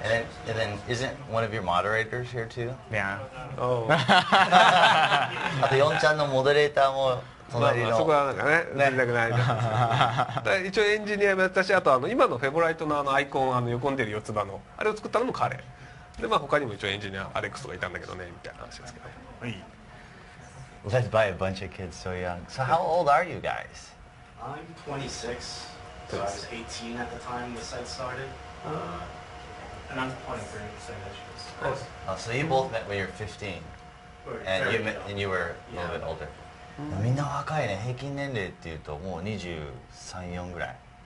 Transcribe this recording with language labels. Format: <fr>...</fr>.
<en>And then isn't one of your moderators here too? Yeah. Oh.</en> <ja>あと、ヨンちゃんのモデレーターも隣の。まあ、そこはなんかね、連絡ないです。だ一応エンジニアもやったし、あとあの今のフェブライトのあのアイコン、あの横に出る四つ葉の、あれを作ったのも彼。で、まあ他にも一応エンジニア、アレックスがいたんだけどね、みたいな話ですけど。はい。</ja> <en>Led by a bunch of kids so young. So how old are you guys? I'm 26, so I was 18 at the time the site started. And I'm 23, same age as you. Oh, so you both met when you were 15. And you, met, and you were a little bit older.</en> <ja>みんな若いね。平均年齢っていうともう23、4ぐらい。</ja>